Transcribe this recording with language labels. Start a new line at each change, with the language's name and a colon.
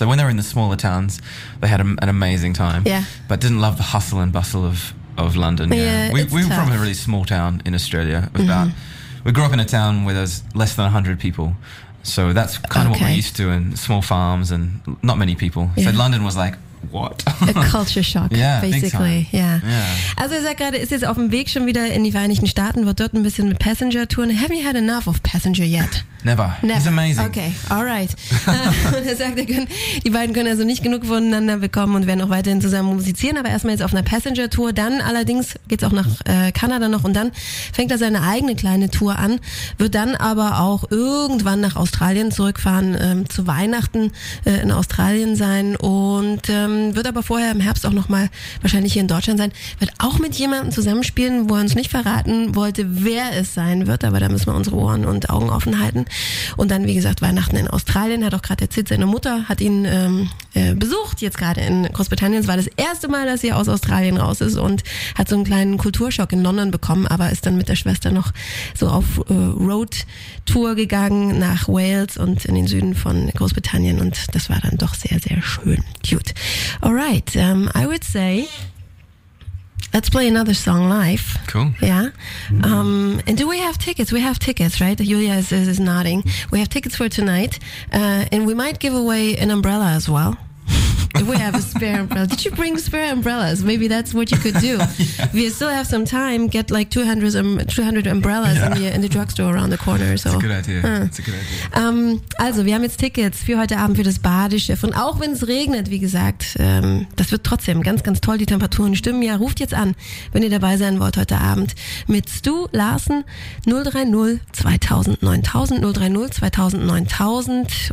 English: So when they were in the smaller towns, they had an amazing time. Yeah. But didn't love the hustle and bustle of London. We're from a really small town in Australia. We grew up in a town where there's less than 100 people. So that's kind of what we're used to, and small farms and not many people. Yeah. So London was like, what? A culture shock, basically. Yeah.
German: Also er sagt gerade, ist jetzt auf dem Weg schon wieder in die Vereinigten Staaten, wird dort ein bisschen mit Passenger touren.
English: Have you had enough of Passenger yet? Never. He's amazing. Okay, all right.
German: Er sagt, die beiden können also nicht genug voneinander bekommen und werden auch weiterhin zusammen musizieren, aber erstmal jetzt auf einer Passenger-Tour. Dann allerdings geht es auch nach Kanada noch und dann fängt er seine eigene kleine Tour an, wird dann aber auch irgendwann nach Australien zurückfahren, zu Weihnachten in Australien sein und wird aber vorher im Herbst auch nochmal wahrscheinlich hier in Deutschland sein, wird auch mit jemandem zusammenspielen, wo er uns nicht verraten wollte, wer es sein wird, aber da müssen wir unsere Ohren und Augen offen halten. Und dann, wie gesagt, Weihnachten in Australien, hat auch gerade erzählt, seine Mutter hat ihn besucht, jetzt gerade in Großbritannien. Es war das erste Mal, dass sie aus Australien raus ist und hat so einen kleinen Kulturschock in London bekommen, aber ist dann mit der Schwester noch so auf Road-Tour gegangen nach Wales und in den Süden von Großbritannien und das war dann doch sehr, sehr schön.
English: Cute. All right, I would say, let's play another song live. Cool. Yeah. And do we have tickets? We have tickets, right? Julia is nodding. We have tickets for tonight. And we might give away an umbrella as well. If we have a spare umbrella. Did you bring spare umbrellas? Maybe that's what you could do. Yeah. We still have some time. Get like 200 umbrellas in the drugstore around the corner. So. That's a good idea.
German: Also, wir haben jetzt Tickets für heute Abend für das Badeschiff. Und auch wenn es regnet, wie gesagt, das wird trotzdem ganz, ganz toll. Die Temperaturen stimmen. Ja, ruft jetzt an, wenn ihr dabei sein wollt heute Abend mit Stu Larsen 030-2000-9000.